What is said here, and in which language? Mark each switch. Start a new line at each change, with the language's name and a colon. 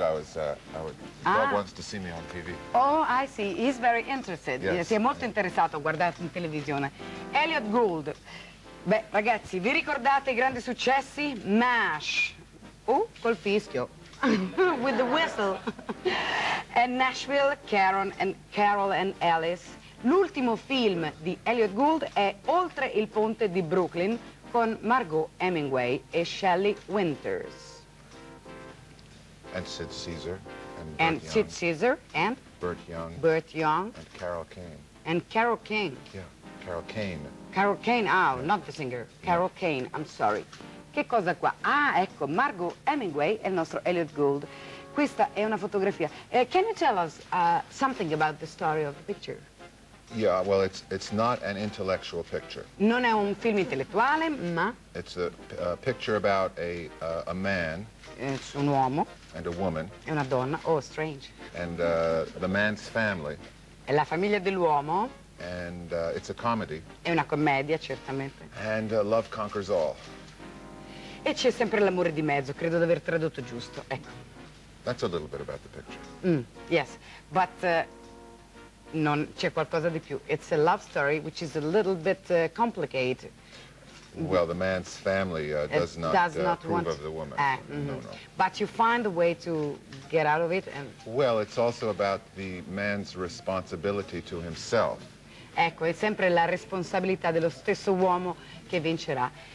English: The dog wants to see me on TV. Oh, I see. He's very interested. Yes.
Italian: Si è molto interessato a guardare in televisione. Elliot Gould. Beh, ragazzi, vi ricordate i grandi successi?
English: MASH. Oh,
Italian: col fischio.
English: With the whistle. And Nashville, Karen and Carol and Alice.
Italian: L'ultimo film di Elliot Gould è Oltre il ponte di Brooklyn con Margot Hemingway e Shelley Winters.
English: And Sid Caesar. And Bert Young. Sid Caesar and? Burt Young. Burt Young. And Carol Kane. And Carol Kane. Yeah, Carol Kane. Carol Kane, oh, yeah. Not the singer. Carol Kane, I'm sorry.
Italian: Che cosa qua? Ah, ecco, Margot Hemingway e il nostro Elliot Gould. Questa è una fotografia.
English: Can you tell us something about the story of the picture? Yeah, well, it's not an intellectual picture.
Italian: Non è un film intellettuale, ma...
English: It's a picture about a man. It's
Italian: un uomo.
English: And a woman.
Italian: E una donna. Oh, strange.
English: And the man's family.
Italian: E la famiglia dell'uomo.
English: And it's a comedy.
Italian: È una commedia, certamente.
English: And love conquers all.
Italian: E c'è sempre l'amore di mezzo, credo di aver tradotto giusto. Ecco.
English: That's a little bit about the picture.
Italian: Mm,
English: yes, but
Italian: non c'è qualcosa di più.
English: It's a love story which is a little bit complicated. Well, the man's family does not approve of the woman. No. But you find a way to get out of it and... Well, it's also about the man's responsibility to himself.
Italian: Ecco, è sempre la responsabilità dello stesso uomo che vincerà.